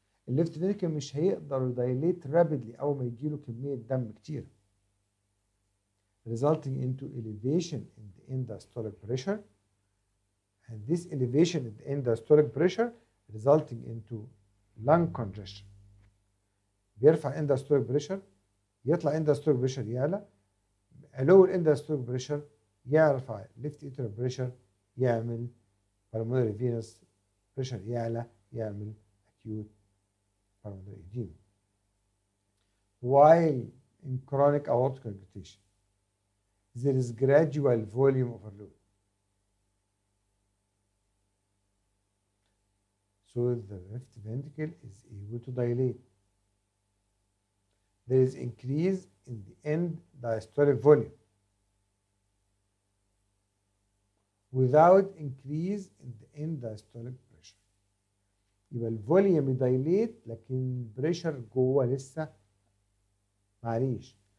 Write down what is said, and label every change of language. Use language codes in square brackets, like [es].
[ar] اللفت ventricle مش هيقدر يدايليت rapidly أو ما يجيله كمية دم كتير. [en] Resulting into elevation in the end-diastolic pressure. And this elevation in the end-diastolic pressure resulting into lung congestion. [ar] بيرفع end-diastolic pressure يطلع end-diastolic pressure يعلى. [en] Low end-diastolic pressure يرفع left atrial pressure يعمل pulmonary venous pressure يعلى يعمل acute pulmonary edema. While in chronic aortic regurgitation, there is gradual volume overload. So the left ventricle is able to dilate. There is increase in the end diastolic volume without increase in the end diastolic pressure. [ar] يبقى الفوليوم يدايليت لكن البريشر جوه لسه معليش.